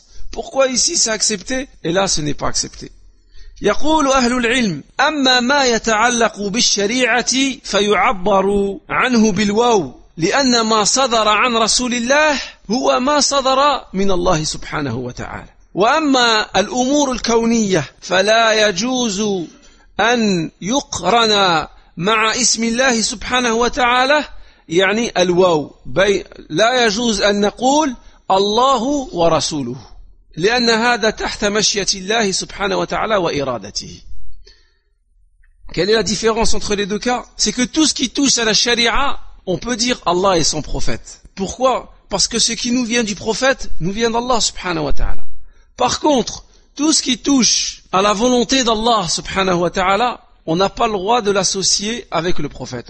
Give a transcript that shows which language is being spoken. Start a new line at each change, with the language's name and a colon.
French: Pourquoi ici c'est accepté et là ce n'est pas accepté?
Arabic: يقول أهل العلم أما ما يتعلق بالشريعة فيعبر عنه بالواو لأن ما صدر عن رسول الله هو ما صدر من الله سبحانه وتعالى وأما الأمور الكونية فلا يجوز أن يقرن مع اسم الله سبحانه وتعالى يعني الواو لا يجوز أن نقول الله ورسوله لأن هذا تحت مشية الله سبحانه وتعالى وإرادته.
French: Quelle est la différence entre les deux cas? C'est que tout ce qui touche à la sharia, on peut dire Allah est son prophète. Pourquoi? Parce que ce qui nous vient du prophète, nous vient d'Allah subhanahu wa ta'ala. Par contre, tout ce qui touche à la volonté d'Allah subhanahu wa ta'ala, on n'a pas le droit de l'associer avec le prophète.